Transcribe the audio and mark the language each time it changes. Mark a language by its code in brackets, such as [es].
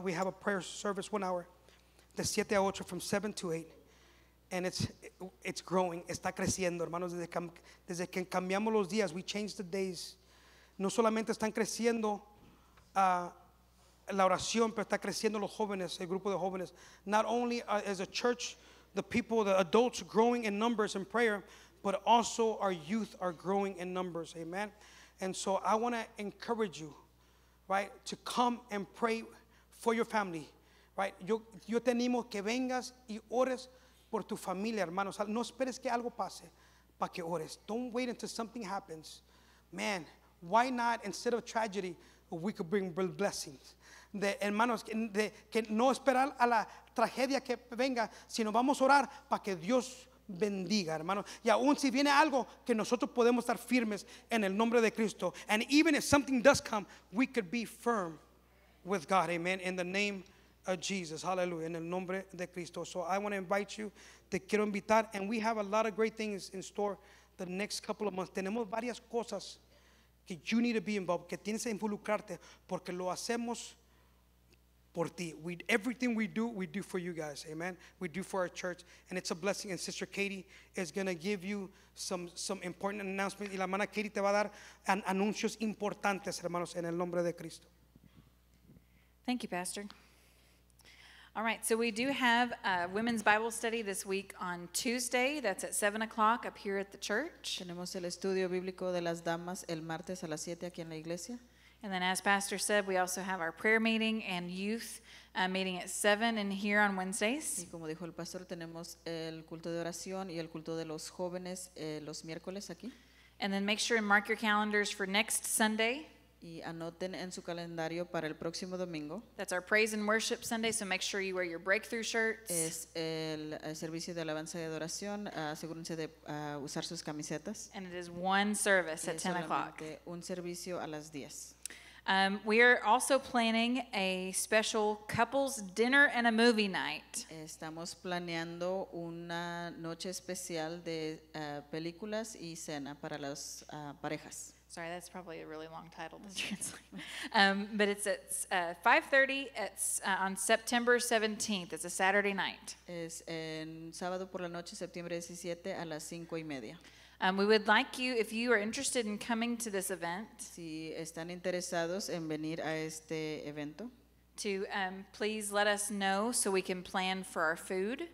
[en] We have a prayer service 1 hour, [es] de 7 a 8, [en] from 7 to 8. And it's growing. [es] Está creciendo, hermanos. Desde que cambiamos los días, [en] we change the days. [es] No solamente están creciendo la oración, pero está creciendo los jóvenes, el grupo de jóvenes. [en] Not only as a church, the people, the adults growing in numbers in prayer, but also our youth are growing in numbers, amen? And so I want to encourage you, right, to come and pray for your family, right? [es] Yo te animo que vengas y ores por tu familia, hermanos. No esperes que algo pase para que ores. [en] Don't wait until something happens. Man, why not, instead of tragedy, we could bring blessings. [es] De hermanos, que no esperar a la tragedia que venga, sino vamos a orar para que Dios bendiga, hermanos. Y aún si viene algo, que nosotros podemos estar firmes en el nombre de Cristo. [en] And even if something does come, we could be firm with God, amen. In the name of Jesus, hallelujah. [es] En el nombre de Cristo. [en] So I want to invite you, [es] te quiero invitar. [en] And we have a lot of great things in store the next couple of months. [es] Tenemos varias cosas que [en] you need to be involved, [es] que tienes que involucrarte, porque lo hacemos. [en] Everything we do for you guys, amen. We do for our church, and it's a blessing. And Sister Katie is going to give you some important announcements. [es] Y la hermana Katie te va a dar anuncios importantes, hermanos, en el nombre de Cristo. [en] Thank you, Pastor. All right, so we do have a women's Bible study this week on Tuesday. That's at 7 o'clock up here at the church. [es] Tenemos el estudio bíblico de las damas el martes a las 7 aquí en la iglesia. [en] And then as Pastor said, we also have our prayer meeting and youth meeting at 7 in here on Wednesdays. [es] Y como dijo el pastor, tenemos el culto de oración y el culto de los jóvenes los miércoles aquí. [en] And then make sure and mark your calendars for next Sunday. [es] Y anoten en su calendario para el próximo domingo. [en] That's our praise and worship Sunday, so make sure you wear your breakthrough shirts. [es] Es el servicio de alabanza y adoración. Asegúrense de usar sus camisetas. [en] And it is one service at 10 o'clock. [es] Un servicio a las 10. [en] We are also planning a special couples dinner and a movie night. [es] Estamos planeando una noche especial de películas y cena para las parejas. [en] Sorry, that's probably a really long title to translate. But it's at 5:30. It's on September 17th. It's a Saturday night. [es] Es en sábado por la noche, septiembre 17, a las 5:30. [en] We would like you, if you are interested in coming to this event, [es] si están interesados en venir a este evento, [en] to please let us know so we can plan for our food.